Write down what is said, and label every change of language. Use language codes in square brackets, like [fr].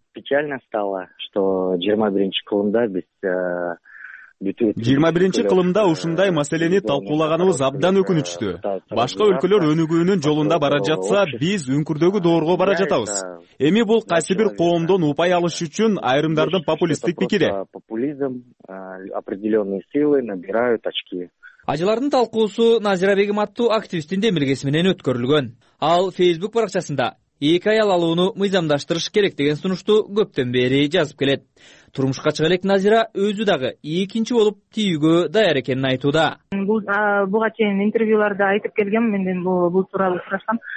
[ru] Печально стало, что [ky] 21-чи кылымда биз 21-чи кылымда ушундай маселени талкуулаганыбыз абдан өкүнүчтүү. Башка өлкөлөр өнүгүүнүн жолунда бара жатса, биз үңкүрдөгү доорго бара жатабыз. Эми бул кайсы бир коомдон упай алыш үчүн айрымдардын популисттик пикири. [ru] Популизм определённые силы набирают очки. [ky] Ажылардын талкуусу Назира Бегим аттуу активисттин демилгеси менен өткөрүлгөн. Ал Facebook баракчасында эки аял алууну мыйзамдаштырыш керек деген сунушту көптөн бери жазып келет. Турмушка чыга элек Назира өзү дагы экинчи болуп тийүүгө даяр экенин айтууда. Буга чейин интервьюларда айтып келгем, менден бул тууралуу сурашкан.